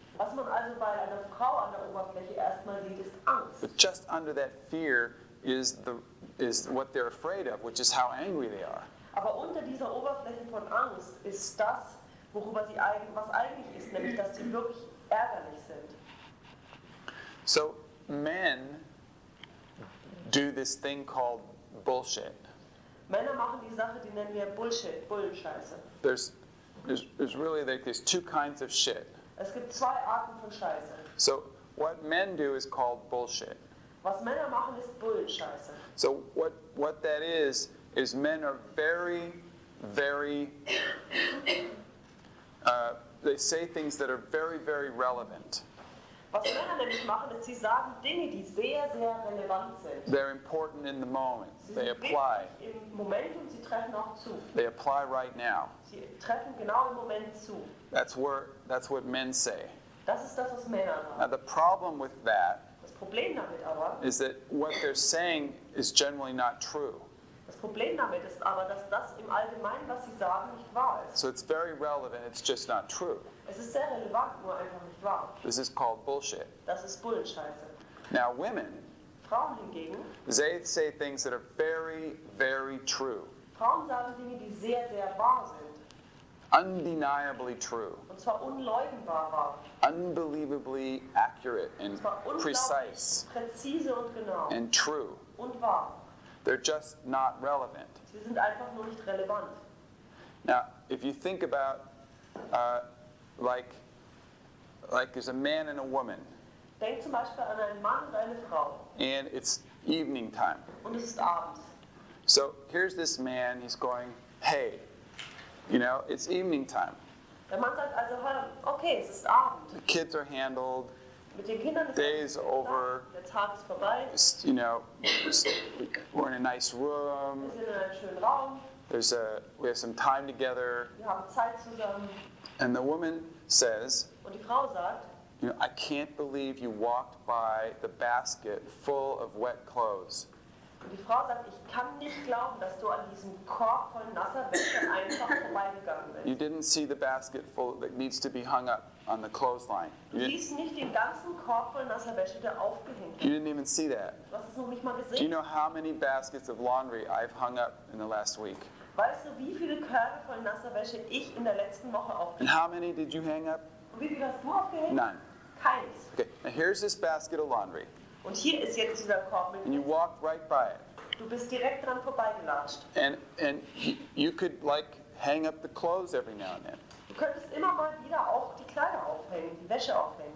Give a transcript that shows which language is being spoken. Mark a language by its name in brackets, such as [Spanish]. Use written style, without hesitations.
[German] Was man also bei einer Frau an der Oberfläche erstmal sieht, ist Angst. [English] But just under that fear is what they're afraid of, which is how angry they are. [German] Aber unter dieser Oberfläche von Angst ist das, worüber sie eigentlich, was eigentlich ist, nämlich dass sie wirklich ärgerlich sind. [English] So men do this thing called bullshit. [German] Männer machen die Sache, die nennen wir Bullshit, Bullenscheiße. [English] There's really like these two kinds of shit. [German] Es gibt zwei Arten von Scheiße. [English] So what men do is called bullshit. [German] Was Männer machen ist Bullenscheiße. [English] So what that is men are very, very, they say things that are very, very relevant. [German] Was Männer nämlich machen, ist, sie sagen Dinge, die sehr, sehr relevant sind. [English] They're important in the moment. [German] Sie [English] they apply. [German] Im Moment und sie treffen auch zu. [English] They apply right now. [German] Sie treffen genau im Moment zu. [English] That's what men say. [German] Das ist das, was Männer sagen. [English] Now the problem with that, [German] das Problem damit aber, [English] is that what they're saying is generally not true. [German] Das Problem damit ist aber, dass das im Allgemeinen, was sie sagen, nicht wahr ist. [English] So it's very relevant, it's just not true. [German] Es ist sehr relevant, nur einfach nicht wahr. [English] This is called bullshit. [German] Das ist Bullenscheiße. [English] Now women, [German] Frauen hingegen, [English] they say things that are very, very true. [German] Frauen sagen Dinge, die sehr, sehr wahr sind. [English] Undeniably true. [German] Und zwar unleugnbar wahr. [English] Unbelievably accurate and precise. [German] Präzise und genau. [English] And true. [German] Und wahr. [English] They're just not relevant. [German] Sie sind einfach nur nicht relevant. [English] Now, if you think about, like there's a man and a woman. [German] Denk zum Beispiel an einen Mann und eine Frau. [English] And it's evening time. [German] Und es ist abends. [English] So here's this man. He's going, hey, you know, it's evening time. [German] Der Mann sagt also, hör, okay, es ist abends. [English] The kids are handled. [German] Mit den Kindern ist [English] day's over. [German] Der Tag ist vorbei. [English] You know, we're in a nice room. [German] Wir sind in einem schönen Raum. [English] We have some time together. [German] Wir haben Zeit zusammen. [English] And the woman says, [German] und die Frau sagt, [English] you know, I can't believe you walked by the basket full of wet clothes. [German] Und die Frau sagt, ich kann nicht glauben, dass du an diesem Korb voll nasser Wäsche einfach vorbeigegangen bist. [English] You didn't see the basket full that needs to be hung up on the clothesline. [German] Du siehst nicht den ganzen Korb voll nasser Wäsche, der aufgehängt ist. [English] You didn't even see that. [German] Du hast es noch nicht mal gesehen. [English] Do you know how many baskets of laundry I've hung up in the last week? [German] Weißt du, wie viele Körbe voll nasser Wäsche ich in der letzten Woche aufgehängt? [English] And how many did you hang up? [German] Und wie viele hast du aufgehängt? [English] None. [German] Keins. [English] Okay, now here's this basket of laundry. [German] Und hier ist jetzt dieser Korb mit. [English] And you walked right by it. [German] Du bist direkt dran vorbeigelatscht. [English] And you could like hang up the clothes every now and then. [German] Du könntest immer mal wieder auch die Kleider aufhängen, die Wäsche aufhängen.